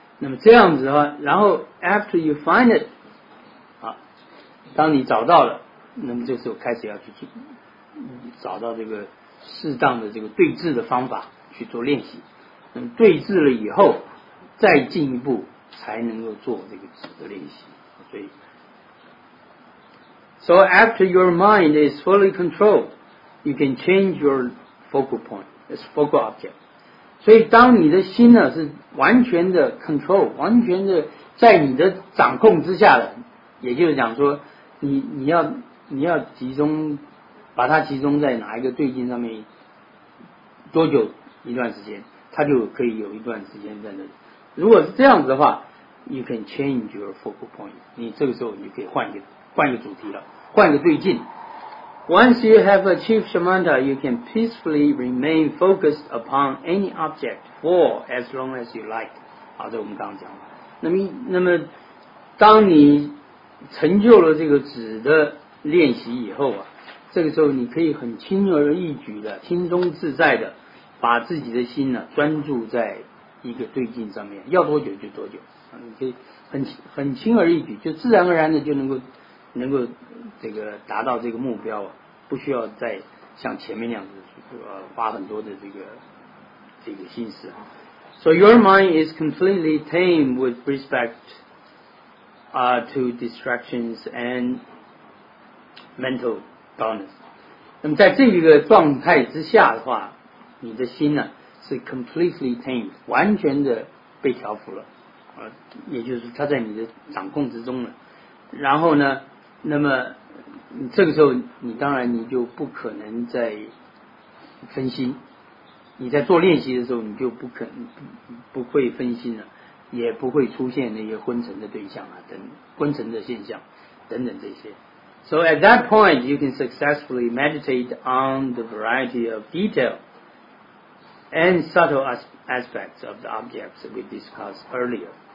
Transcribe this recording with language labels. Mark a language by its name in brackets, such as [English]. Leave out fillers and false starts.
[Chinese] 那么这样子的话，然后 [English] after you find it [Chinese] 啊，当你找到了，那么这时候开始要去找到这个适当的这个对治的方法去做练习，那么对治了以后再进一步才能够做这个止的练习。所以 [English] So after your mind is fully controlled, you can change your focal point, its focal object. [Chinese] 所以当你的心呢是完全的 control, 完全的在你的掌控之下的，也就是讲说你要集中，把它集中在哪一个对境上面多久一段时间，它就可以有一段时间在那里。如果是这样子的话， [English] you can change your focal point, [Chinese] 你这个时候你可以换一个主题了，换一个对境。 [English] Once you have achieved shamatha, you can peacefully remain focused upon any object for as long as you like. [Chinese] 好，这我们刚刚讲了。那么当你成就了这个止的练习以后啊，这个时候你可以很轻而易举的，轻松自在的把自己的心呢专注在一个对境上面，要多久就多久，你可以很轻而易举，就自然而然的就能够这个达到这个目标，不需要再像前面那样子花很多的这个心思。 [English] So your mind is completely tame with respect to distractions and mental dullness. [Chinese] 那么在这个状态之下的话，你的心呢是 [English] completely tamed, [Chinese] 完全的被调伏了，也就是它在你的掌控之中了。然后呢，那么这个时候你当然你就不可能再分心，你在做练习的时候你就不会分心了，也不会出现那些昏沉的对象啊，等昏沉的现象等等这些。 [English] So at that point, you can successfully meditate on the variety of detail and subtle aspects of the objects we discussed earlier.